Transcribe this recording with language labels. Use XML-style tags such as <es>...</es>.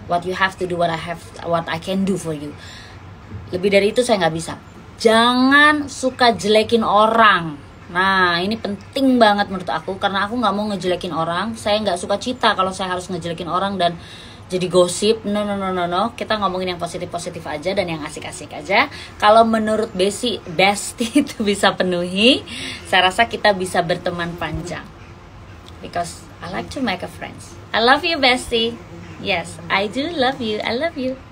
<en>What you have to do, what I can do for you.</en> <id>Lebih dari itu saya gak bisa. Jangan suka jelekin orang. Nah, ini penting banget menurut aku, karena aku gak mau ngejelekin orang. Saya gak suka cita kalau saya harus ngejelekin orang dan jadi gosip. No. Kita ngomongin yang positif-positif aja dan yang asik-asik aja. Kalau menurut Besi, Besti itu bisa penuhi, saya rasa kita bisa berteman panjang.</id> <en>Because I like to make a friends. I love you, Besti. Yes, I do love you. I love you.</en>